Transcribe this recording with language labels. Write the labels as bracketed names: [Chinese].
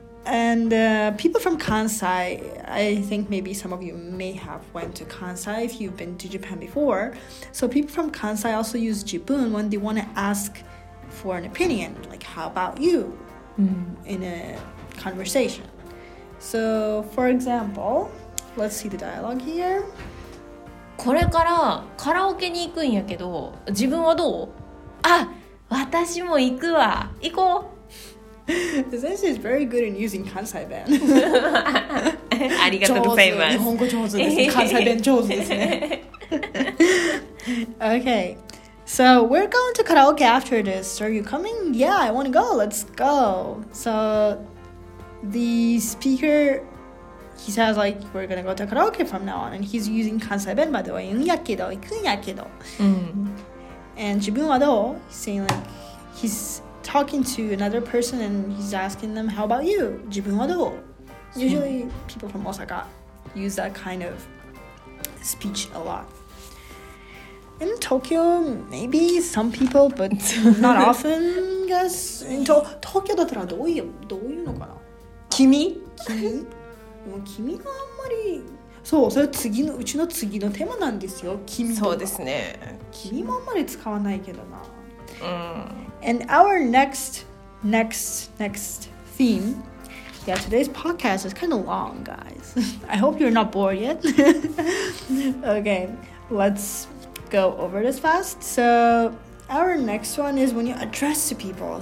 [English] And people from Kansai, I think maybe some of you may have went to Kansai if you've been to Japan before. So, people from Kansai also use 自分 when they want to ask for an opinion. Like, how about you? In a conversation. So, for example, let's see the dialogue here. [Japanese] これからカラオケに行くんやけど、自分はどう？あ、私も行くわ。行こう。 [English] This is very good in using Kansai ben. [Japanese] ありがとうございます。日本語上手ですね。関西弁上手ですね。 [English] Okay, so we're going to karaoke after this. Are you coming? Yeah, I want to go. Let's go. So the speaker, he says like, we're going to go to karaoke from now on. And he's using 関西弁 by the way. [Japanese] 行くんやけど、行くんやけど。 [English] And [Japanese] 自分はどう? [English] He's saying like, he's talking to another person and he's asking them, how about you? [Japanese] 自分はどう? [English] Usually people from Osaka use that kind of speech a lot. In Tokyo, maybe some people, but not often, I guess. In Tokyo, [Japanese] だったらどういうのかな君があんまり…そう、それ次のうちの次のテーマなんですよ、君とか。そうですね。君もあんまり使わないけどな。うん。 [English] And our next theme, yeah, today's podcast is kind of long, guys. I hope you're not bored yet. Okay, let's... go over this fast. So our next one is when you address to people.